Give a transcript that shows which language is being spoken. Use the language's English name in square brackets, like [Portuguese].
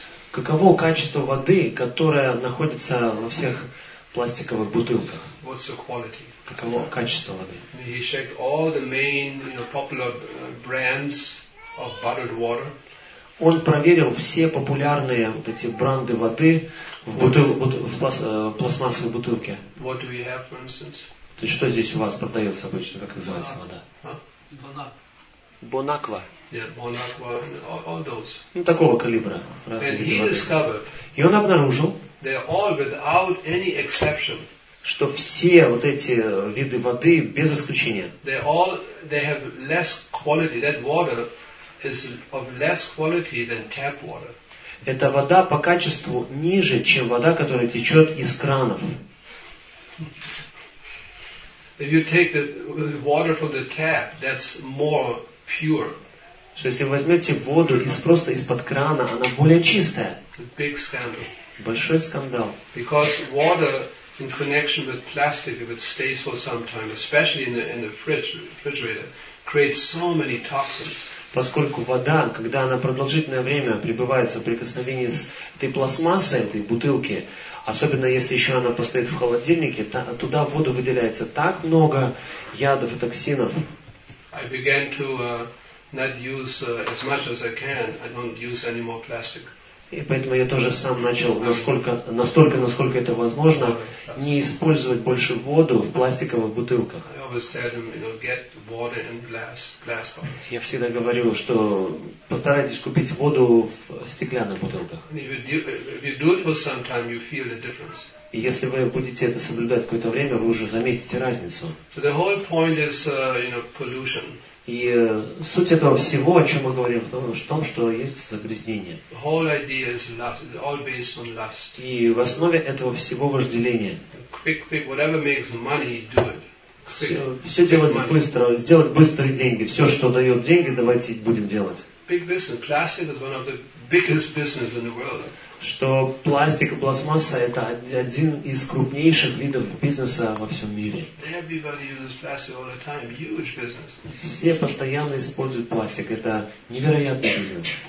[Russian] Каково качество воды, которая находится во всех пластиковых бутылках? [English] What's the quality? [Russian] Каково качество воды? [English] He checked all the main, you know, popular brands of bottled water. [Russian] Он проверил все популярные вот эти бренды воды в пластмассовой бутылке. [English] What do we have, for instance? [Russian] То есть что здесь у вас продается обычно, как называется вода? Бонаква. [English] Yeah, Bonacqua, all those. [Russian] Ну, такого калибра. [English] And he discovered, [Russian] и он обнаружил, [English] they are all without any exception, [Russian] что все вот эти виды воды без исключения, [English] they have less quality, that water is of less quality than tap water. [Russian] Эта вода по качеству ниже, чем вода, которая течет из кранов. [English] If you take the water from the tap, that's more pure. [Russian] Что если вы возьмете воду из, просто из-под крана, она более чистая. Большой скандал. [English] Because water in connection with plastic, if it stays for some time, especially in the refrigerator, creates so many toxins. [Russian] Поскольку вода, когда она продолжительное время пребывает в соприкосновении с этой пластмассой, этой бутылки, особенно если еще она постоит в холодильнике, туда в воду выделяется так много ядов и токсинов. [English] I began to not use as much as I can. I don't use any more plastic. [Russian] И поэтому я тоже сам начал, насколько это возможно, не использовать больше воду в пластиковых бутылках. [English] I always tell them, you know, get water in glass bottles. [Russian] Я всегда говорю, что постарайтесь купить воду в стеклянных бутылках. [English] If you do it for some time, you feel the difference. [Russian] И если вы будете это соблюдать какое-то время, вы уже заметите разницу. [English] So the whole point is, you know, pollution. [Russian] И суть этого всего, о чем мы говорим, в том, что есть загрязнение. [English] The whole idea is lust. It's all based on lust. [Russian] И в основе этого всего вожделение. [English] Quick, whatever makes money, do it. [Russian] Все делать быстро, сделать быстрые деньги. Все, что дает деньги, давайте будем делать. [English] Big business. Plastic is one of the biggest business in the world. [Russian] Что пластик и пластмасса – это один из крупнейших видов бизнеса во всем мире. [English] Everybody uses plastic all the time. Huge business. [Russian] Все постоянно используют пластик. Это невероятный бизнес.